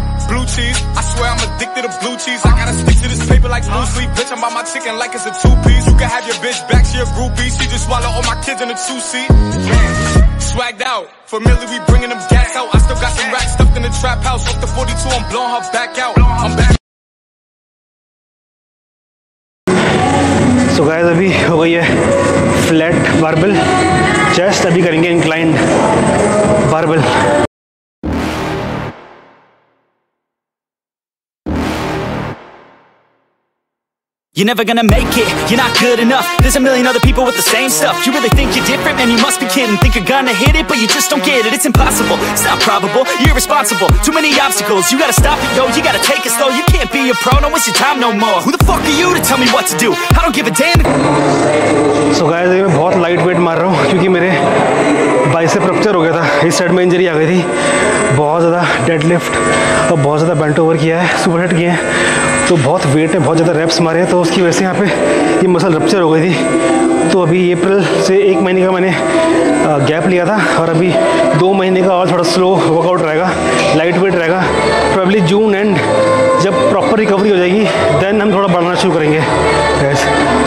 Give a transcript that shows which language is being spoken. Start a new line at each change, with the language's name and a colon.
English: Blue cheese, I swear I'm addicted to blue cheese. I gotta stick to this paper like Bruce Lee. Bitch, I'm by my chicken like it's a two-piece. You can have your bitch back, she a groupie. She just swallow all my kids in a two-seat. Swagged out, familiar, we bringing them gas out. I still got some racks stuffed in the trap house. Up to 42, I'm blowing her back out. I'm back.
Hindi: तो guys, अभी हो गई है flat barbell chest, अभी करेंगे inclined barbell.
English: You're never gonna make it, you're not good enough. There's a million other people with the same stuff. You really think you're different, man, you must be kidding. Think you're gonna hit it, but you just don't get it. It's impossible, it's not probable, you're irresponsible. Too many obstacles, you gotta stop it, yo. You gotta take it slow, you can't be a pro. No, it's your time no more. Who the fuck are you to tell me what to do? I don't give a damn. So guys, I'm very lightweight, because my bicep ruptured. I had an injury in this side. I had a lot of deadlift and a lot of bent over. Superhead.
Hindi: तो बहुत wait है, बहुत ज़्यादा raps मारे हैं, तो उसकी वजह से यहाँ पे ये मसल रप्चर हो गई थी। तो अभी अप्रैल से एक महीने का मैंने गैप लिया था, और अभी दो महीने का और थोड़ा स्लो वर्कआउट रहेगा, लाइट वेट रहेगा। प्रॉब्ली जून एंड जब प्रॉपर रिकवरी हो जाएगी, देन हम थोड़ा बढ़ाना शुरू करेंगे।